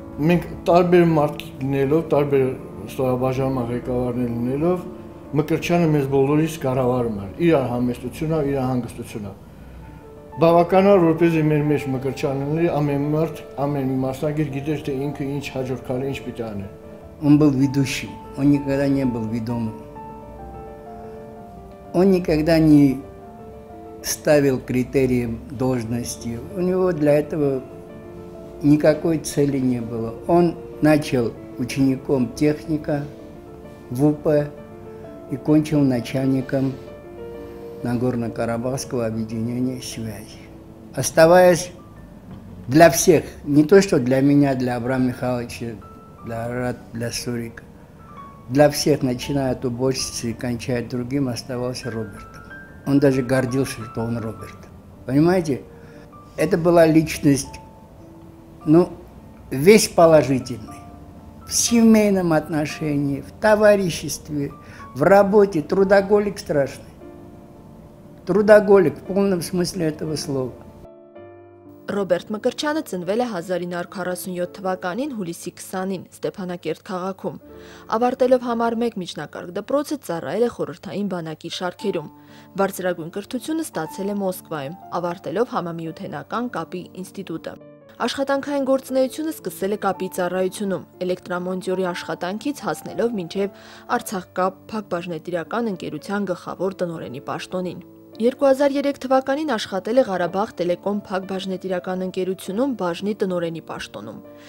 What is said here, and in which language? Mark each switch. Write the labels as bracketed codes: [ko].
[hy] Մենք տարբեր մարդիկ լինելով, տարբեր ստորաբաժանումա ղեկավարներ լինելով, Մկրտչյանը մեզ բոլորիս կառավարում էր, իր համեստությունը, իր հանգստությունը։ բավականար որպեսզի մեր մեջ մկրտչանլի ամեն մարդ, ամեն մասնակից գիտեր, թե ինքը ինչ հաջորդ քայլը ինչ պիտի անի։ [ru] Он был ведущим, он никогда не был ведомым. Он никогда не ставил критерием должности. У него для этого никакой цели не было. Он начал учеником техника в УП и кончил начальником Нагорно-Карабахского объединения связи. Оставаясь для всех, не то что для меня, для Абрама Михайловича, для Арат, для Сурика, для всех, начиная от уборщицы и кончая другим, оставался Робертом. Он даже гордился, что он Роберт. Понимаете, это была личность, ну, весь положительный. В семейном отношении, в товариществе, в работе. Трудоголик страшный. Трудоголик в полном смысле этого слова. [hy] Ռոբերտ Մկրտչյանը ծնվել է 1947 թվականին հուլիսի 20-ին Ստեփանակերտ քաղաքում։ Ավարտելով համար 1 միջնակարգ դպրոցը ծառայել է խորհրդային բանակի շարքերում։ Բարձրագույն կրթությունը ստացել է Մոսկվայում, ավարտելով համամիութենական կապի ինստիտուտը։ Աշխատանքային գործունեությունը սկսել է կապի ծառայությունում, էլեկտրամոնտյորի աշխատանքից հասնելով մինչև Արցախ կապ փակբաժնետիրական ընկերության գլխավոր տնօրենի պաշտոնին։ 2003 թվականին աշխատել է Ղարաբաղ Տելեկոմ Փակ Բաժնետիրական ընկերությունում բաժնի տնօրենի պաշտոնում։